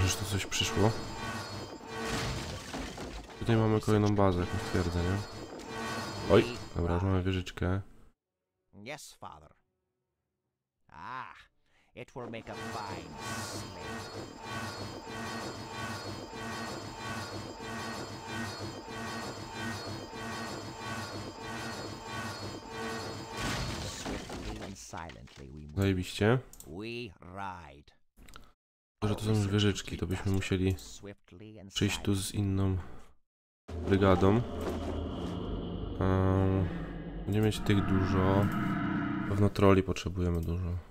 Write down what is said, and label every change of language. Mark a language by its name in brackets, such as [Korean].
[Polish] Coś przyszło. Tutaj mamy kolejną bazę, jakąś twierdzę, nie? Oj, dobra, już mamy wieżyczkę. [English] Yes, father. [Polish] Ah, [English] It will make a fine slave. Swiftly and silently we move. [Polish] Zajebiście. [English] We ride. [Polish] Boże, to są już wieżyczki, to byśmy musieli przyjść tu z inną brygadą. Będziemy mieć tych dużo. Na pewno troli potrzebujemy dużo.